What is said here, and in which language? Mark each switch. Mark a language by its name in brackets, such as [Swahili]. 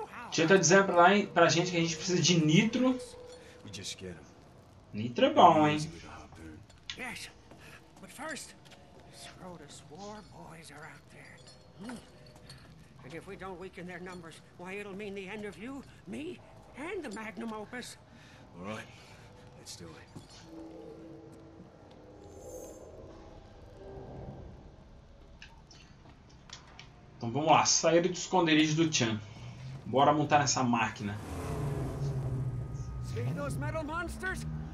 [Portuguese] Tia tá dizendo pra, lá, pra gente que a gente precisa de nitro. Nitro é bom, hein? [English] Yes, but first, Scrotus war boys are out there. And if we don't weaken their numbers, why it'll mean the end of you, me, and the Magnum Opus. All right, let's do it. [Portuguese] Então vamos lá, sair do esconderijo do Chan. Bora montar essa máquina. [English] See those metal monsters?